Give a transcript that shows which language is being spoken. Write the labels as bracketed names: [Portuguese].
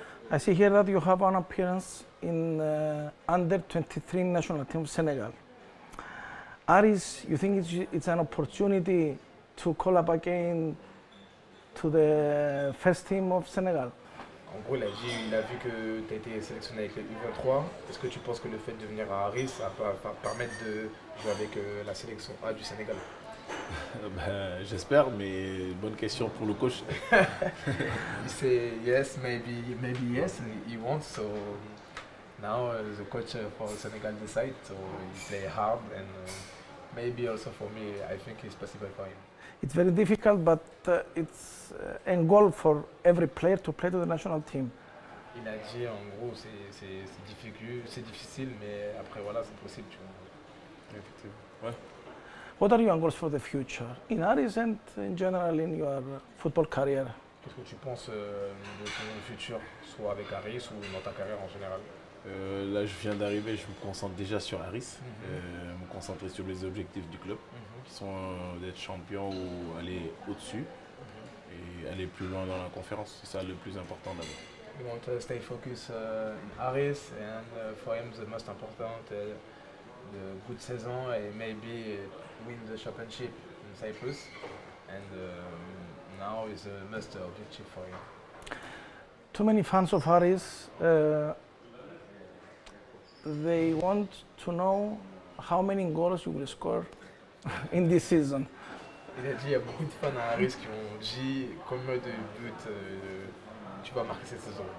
[English] I see here that you have an appearance in under-23 national team of Senegal. Aris, you think it's an opportunity to call up again to the first team of Senegal? [French] En gros, il a vu que tu as été sélectionné avec les U23. Est-ce que tu penses que le fait de venir à Aris, ça va permettre de jouer avec la sélection A du Sénégal? Ben, j'espère, mais bonne question pour le coach. Il dit [English] yes, maybe yes, he wants, so Now the coach for Senegal decides, so he play hard, and maybe also for me, I think it's possible for him. It's very difficult, but it's a goal for every player to play to the national team. [French] Il a dit en gros c'est difficile, mais après voilà c'est possible. Tu [English] What are your goals for the future in Aris and in general in your football career? [French] Qu'est-ce que tu penses de ton futur, soit avec Aris ou dans ta carrière en général? Là, je viens d'arriver, je me concentre déjà sur Aris, me concentrer sur les objectifs du club, qui sont d'être champion ou aller au-dessus et aller plus loin dans la conférence. C'est ça le plus important d'abord. [English] You want to stay focused in Aris, and for him, the most important, the good season, and maybe win the championship in Cyprus. And now is a must objective for him. Too many fans of Aris. They want to know how many goals you will score in this season. [French] Il a dit, il y a beaucoup de fans à Aris qui ont dit combien de buts tu vas marquer cette saison.